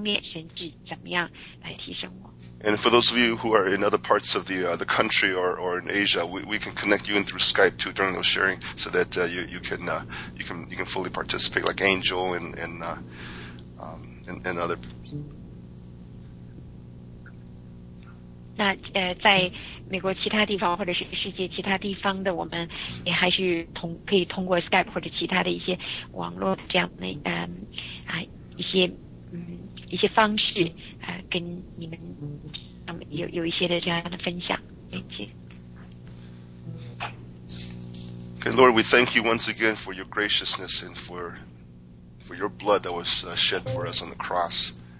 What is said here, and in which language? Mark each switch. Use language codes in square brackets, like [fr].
[zh] 当我回到基督华人教会之后，我可以跟大家更详细的来分享刚才的那些三个方面，神是怎么样来提升我。 [en] And for those of you who are in other parts of the country or in Asia, we can connect you in through Skype too during those sharing, so that you can fully participate, like Angel and other. [zh] 那在美国其他地方或者是世界其他地方的，我们也还是可以通过 Skype 或者其他的一些网络这样的一些方式跟你们。 [en] Okay, Lord, we thank you once again for your graciousness and for your blood that was shed for us on the cross.